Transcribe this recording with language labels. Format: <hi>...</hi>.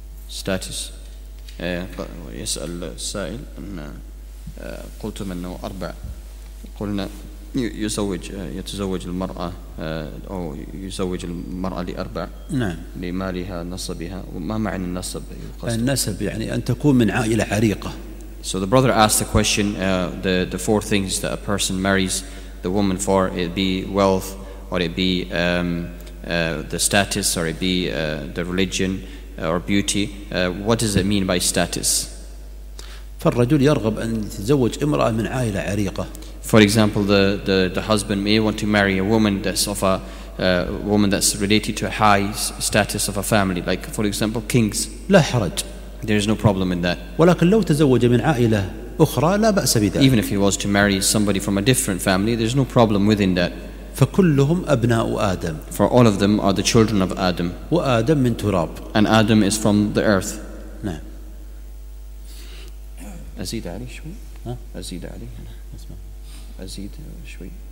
<ar>status يسأل السائل أن قلت منه أربع قلنا يزوج يتزوج المرأة أو يزوج المرأة لأربع نعم لمالها نصبها وما معنى النصب النسب يعني أن تكون من عائلة عريقة</ar> <en>so the brother asked the question the four things that a person marries the woman for it be wealth or it be the status or it be the religion or beauty what does it mean by status</en> <ar>فالرجل يرغب ان يتزوج امراه من عائله عريقه</ar> <en>for example the husband may want to marry a woman that's of a woman that's related to a high status of a family like for example kings</en> <ar>لا حرج</ar> <en>there is no problem in that</en> <ar>ولكن لو تزوج من عائله اخرى لا باس بذلك</ar> <en>even if he was to marry somebody from a different family there's no problem within that</en> <ar>فكلهم أبناء آدم.</ar> <en>For all of them are the children of Adam.</en> <ar>وآدم من تراب.</ar> <en>And Adam is from the earth.</en> <ar>نعم. أزيد علي شوي. أزيد علي. اسمع. أزيد شوي.</ar>